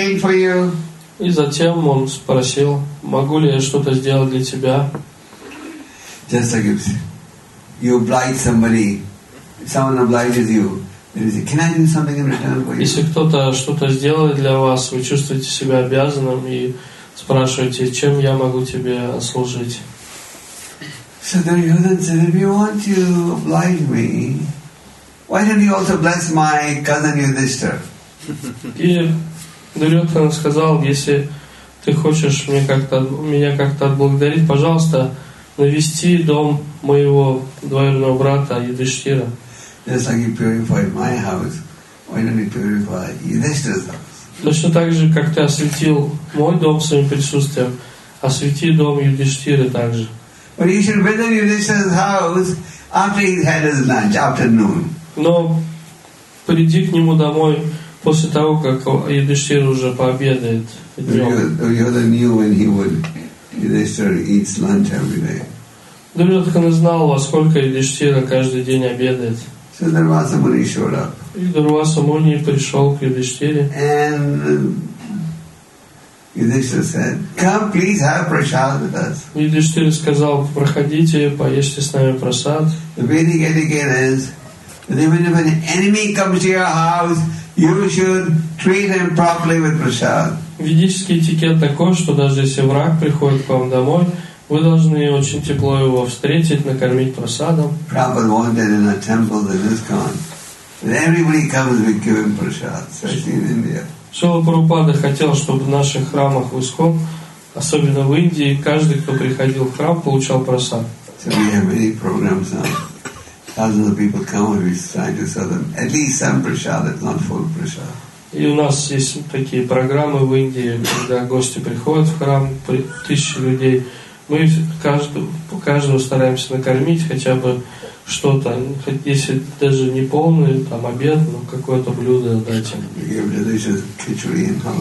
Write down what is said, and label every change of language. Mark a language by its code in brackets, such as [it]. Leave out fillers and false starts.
[ru] И затем он спросил, могу ли я что-то сделать для тебя? [en] Just like if you oblige somebody, if someone obliges you, then you say, can I do something in return for you? [ru] Если кто-то что-то сделает для вас, вы чувствуете себя обязанным и спрашиваете, чем я могу тебе служить? [en] So Duryodhana said, if you want to oblige me, why don't you also bless my cousin Yudhishthira? [ru] И Дурьотхана сказал, если ты хочешь меня как-то отблагодарить, пожалуйста, навести дом моего двоюродного брата Юдиштира. [en] Just like you purified my house, why don't you purify Yudhishthira's house? [ru] Точно так же, как ты осветил мой дом своим присутствием, освети дом Юдиштира также. [en] But you should visit Yudhishthira's house after he's had his lunch, afternoon. [ru] Но приди к нему домой после того, как Юдхиштхира уже пообедает. [en] Duryodhana knew when he would. Yudhishthira eats lunch every day. [ru] Дурьотхана знал, во сколько Юдхиштхира каждый день обедает. [en] So Дурваса Муни showed up. [ru] И Дурваса Муни пришел к Юдхиштхире. [en] And Yudhishthira said, "Come, please have prasad with us." [ru] Yudhishthira сказал, "Проходите, поешьте с нами прасад." [en] The Vedic etiquette is that even if an enemy comes to your house, you should treat him properly with prasad. [ru] Ведический этикет такой, что даже если враг приходит к вам домой, вы должны очень тепло его встретить, накормить прасадом. [en] Prabhupada wanted in a temple in ISKCON that everybody comes, we give him prasad, especially in India. [ru] Шрила Прабхупада хотел, чтобы в наших храмах в ИСКОН Особенно в Индии, каждый, кто приходил в храм, получал просад. [en] So we have many programs now. Thousands of people come and we try to sell them at least some prasad, if not full prasad. [ru] И у нас есть такие программы в Индии, когда гости приходят в храм, тысячи людей. Мы каждого стараемся накормить хотя бы что-то, хоть если даже не полный там обед, но какое-то блюдо дать им.